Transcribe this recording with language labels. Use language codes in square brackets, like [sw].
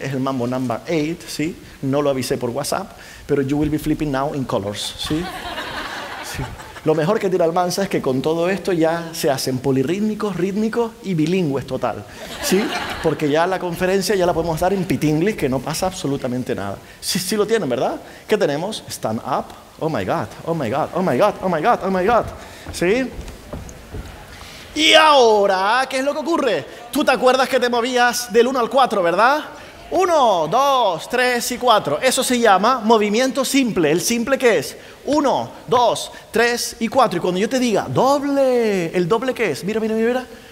[es] Es el mambo number 8, ¿sí? No lo avisé por WhatsApp, pero [en] You Will Be Flipping Now in Colors, [es] ¿sí? Sí. Lo mejor que tiene Almanza es que con todo esto ya se hacen polirrítmicos, rítmicos y bilingües total, ¿sí? Porque ya la conferencia ya la podemos dar en pitinglish, que no pasa absolutamente nada. Sí, sí lo tienen, ¿verdad? ¿Qué tenemos? [en] Stand up. Oh my God, oh my God, oh my God, oh my God, oh my God. [es] ¿Sí? Y ahora, ¿qué es lo que ocurre? Tú te acuerdas que te movías del 1 al 4, ¿verdad? 1, 2, 3 y 4. Eso se llama movimiento simple. ¿El simple qué es? 1, 2, 3 y 4. Y cuando yo te diga doble, ¿el doble qué es? Mira, mira, mira, mira.